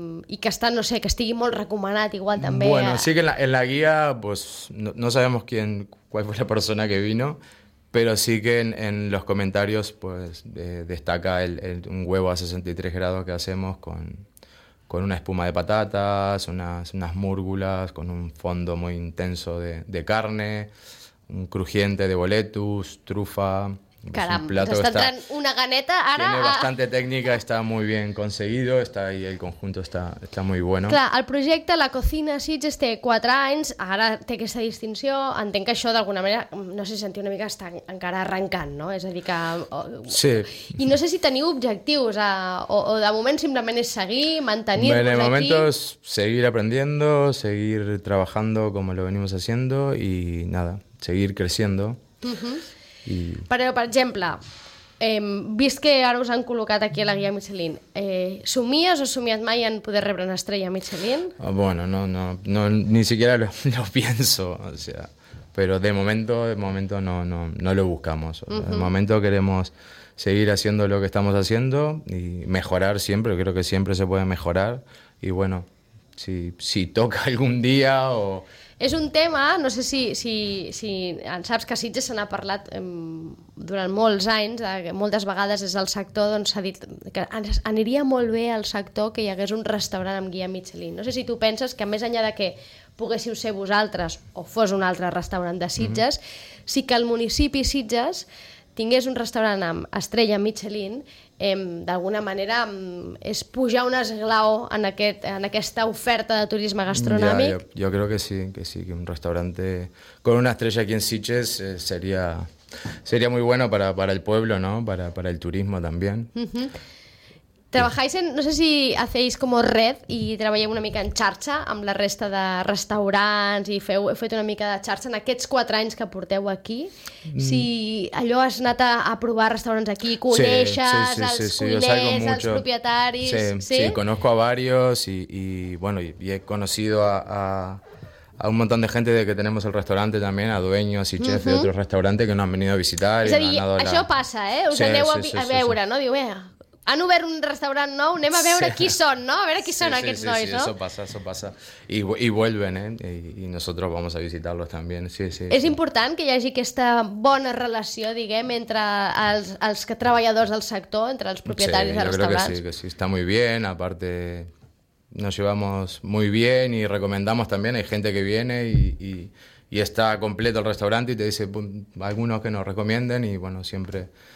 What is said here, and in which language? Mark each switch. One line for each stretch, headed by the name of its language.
Catalan: I que està, no sé, que estigui molt recomanat igual també...
Spanish: Bueno, sí que en la guía, pues, no sabemos cuál fue la persona que vino, pero sí que en los comentarios, pues, destaca un huevo a 63 grados que hacemos con una espuma de patatas, unas múrgulas, con un fondo muy intenso de carne, un crujiente de boletus, trufa...
Catalan: Caram, ens està entrant una ganeta ara...
Spanish: Tiene bastante tècnica, está muy bien conseguido, está ahí, el conjunto está muy bueno.
Catalan: Clar, el projecte La Cocina Sitges té 4 anys, ara té aquesta distinció, entenc que això d'alguna manera, no sé, sentir una mica està encara arrencant, no? És a dir que... Sí. I no sé si teniu objectius, o de moment simplement és seguir, mantenir-vos aquí...
Spanish: Bueno,
Catalan: de moment és
Spanish: seguir aprendiendo, seguir trabajando como lo venimos haciendo y nada, seguir creciendo.
Catalan: Però, per exemple, vist que ara us han col·locat aquí a la guia Michelin, somies o has somiat mai en poder rebre una estrella Michelin?
Spanish: Bueno, no, ni siquiera lo pienso, o sea, pero de momento no lo buscamos. De momento queremos seguir haciendo lo que estamos haciendo y mejorar siempre, creo que siempre se puede mejorar. Y bueno, si toca algún día o...
Catalan: És un tema, no sé si en saps que a Sitges se n'ha parlat durant molts anys, moltes vegades des del sector s'ha dit que aniria molt bé al sector que hi hagués un restaurant amb guia Michelin. No sé si tu penses que més enllà de que poguéssiu ser vosaltres o fos un altre restaurant de Sitges, sí que el municipi Sitges tingués un restaurant amb estrella Michelin, d'alguna manera és pujar un esglaó en, aquest, en aquesta oferta de turisme gastronòmic? Jo crec que sí,
Spanish: que un restaurant con una estrella aquí en Sitges seria, seria muy bueno para el pueblo, ¿no? Para el turismo también.
Catalan: Uh-huh.
Spanish: Trabajáis en, no sé si hacéis como red y trabajáis
Catalan: una mica en xarxa amb la resta de restaurants i feu, heu fet una mica de xarxa en aquests 4 anys que porteu aquí. Si allò has anat a provar restaurants aquí, coneixes els propietaris...
Spanish: Sí, conozco a varios y bueno, y he conocido a un montón de gente de que tenemos el restaurante también, a dueños y chefs de otros restaurantes que nos han venido a visitar.
Catalan: És a dir, això passa, ¿eh? Us aneu a veure, ¿no? Diu, han obert un restaurant nou, anem a veure qui són, no? A veure qui són aquests nois, no?
Spanish: Sí, eso pasa, eso pasa. Y vuelven, Y nosotros vamos a visitarlos también, sí.
Catalan: És important que hi hagi aquesta bona relació, diguem, entre els treballadors del sector, entre els propietaris dels restaurants.
Spanish: Sí, yo creo que sí, está muy bien. Aparte, nos llevamos muy bien y recomendamos también. Hay gente que viene y está completo el restaurante y te dice algunos que nos recomienden y, bueno, siempre...